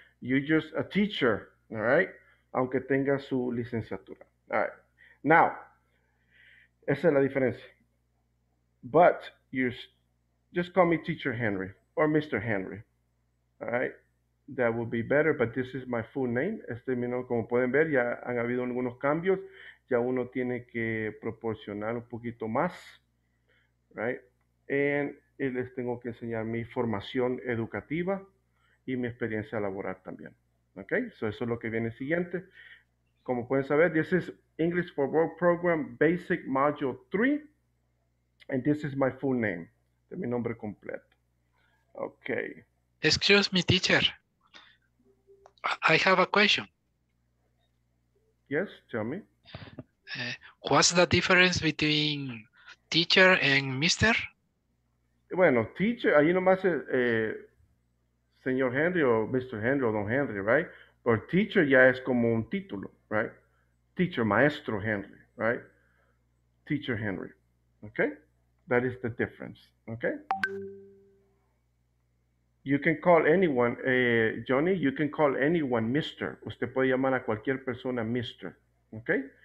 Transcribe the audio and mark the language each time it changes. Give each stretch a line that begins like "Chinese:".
English: You're just a teacher, all right?
Spanish: Aunque tenga su licenciatura.
English: All right. Now,
Spanish: esa es la diferencia.
English: But you just call me Teacher Henry or Mr. Henry. All right? That would be better, but this is my full name.
Spanish: Este mismo, como pueden ver, ya han habido algunos cambios. Ya uno tiene que proporcionar un poquito más. Right? And les tengo que enseñar mi formación educativa y mi experiencia laboral también. Ok, so eso es lo que viene siguiente. Como pueden saber,
English: this is English for Work Program Basic Module 3. And this is my full name.
Spanish: De mi nombre completo.
English: Ok. Excuse me, teacher. I have a question. Yes, tell me. What's the difference between teacher and mister?
Spanish: Bueno, teacher, ahí nomás es... Señor Henry o Mr. Henry o Don Henry, right? Or teacher ya es como un título, right?
English: Teacher, Maestro Henry, right? Teacher Henry, okay? That is the difference, okay? You can call anyone, Johnny, you can call anyone Mr.
Spanish: Usted puede llamar a cualquier persona Mr., okay?